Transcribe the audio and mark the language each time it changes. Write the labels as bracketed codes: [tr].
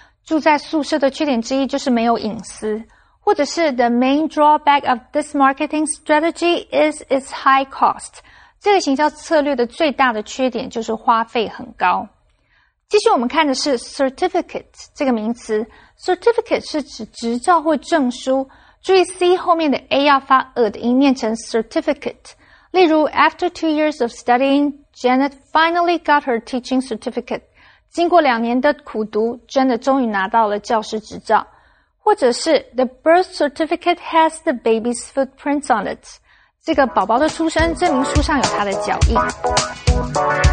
[zh] 住在宿舍的缺点之一就是没有隐私。或者是 [en] the main drawback of this marketing strategy is its high cost. [zh] 这个行销策略的最大的缺点就是花费很高。继续我们看的是 certificate 这个名词。certificate 是指执照或证书。注意 C 后面的 A 要发 E 的音念成 certificate。例如 [en] after 2 years of studying, Janet finally got her teaching certificate. [zh] 经过两年的苦读 ,Janet 终于拿到了教师执照。或者是 [en] the birth certificate has the baby's footprints on it. [zh] 这个宝宝的出生证明书上有他的脚印。